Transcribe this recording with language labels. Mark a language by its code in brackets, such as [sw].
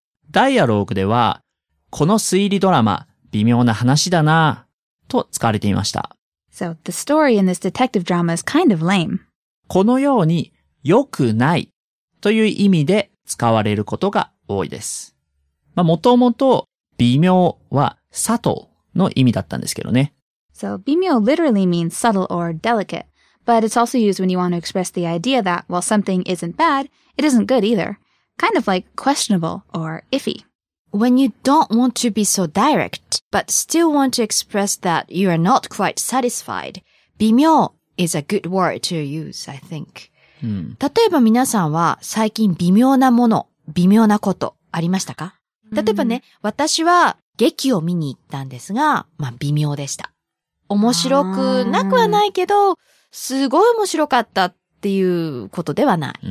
[ja] ダイアローグではこの推理ドラマ微妙な話だなぁと使われていました。 [en] So the story in this detective drama is kind of lame. [ja] このように良くないという意味で使われることが多いです。まあ、もともと微妙は subtle の意味だったんですけどね。 [en] So, 微妙 literally means subtle or delicate, but it's also used when you want to express the idea that while something isn't bad, it isn't good either. Kind of like questionable or iffy. When you don't want to be so direct, but still want to express that you are not quite satisfied, 微妙 is a good word to use, I think. [ja] 例えば皆さんは最近微妙なもの、微妙なことありましたか？例えばね、私は劇を見に行ったんですが、まあ微妙でした。面白くなくはないけど、すごい面白かったっていうことではない。